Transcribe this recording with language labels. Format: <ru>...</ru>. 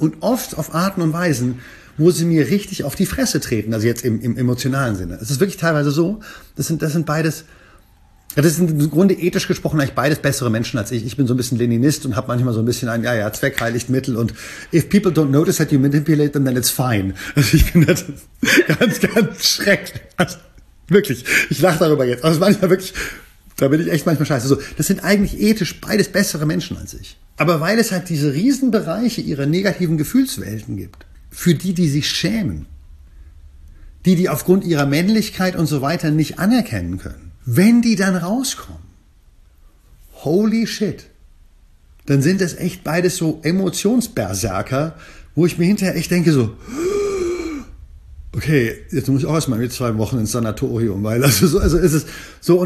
<de>Und oft auf Arten und Weisen, wo sie mir richtig auf die Fresse treten, also jetzt im emotionalen Sinne. Es ist wirklich teilweise so, das sind beides. Ja, das sind im Grunde ethisch gesprochen eigentlich beides bessere Menschen als ich. Ich bin so ein bisschen Leninist und habe manchmal so ein bisschen ein, ja, ja, Zweck heiligt Mittel.</de> <en>Und if people don't notice that you manipulate them, then it's fine.</en> <de>Also ich finde das ganz, ganz schrecklich. Also wirklich, ich lache darüber jetzt. Also manchmal wirklich, da bin ich echt manchmal scheiße. So, das sind eigentlich ethisch beides bessere Menschen als ich. Aber weil es halt diese Riesenbereiche ihrer negativen Gefühlswelten gibt, für die sich schämen, die aufgrund ihrer Männlichkeit und so weiter nicht anerkennen können, wenn die dann rauskommen,</de> <en>holy shit,</en> <de>dann sind das echt beides so Emotionsberserker, wo ich mir hinterher echt denke so, okay, jetzt muss ich auch erstmal mit 2 Wochen ins Sanatorium, weil also ist es so.</de>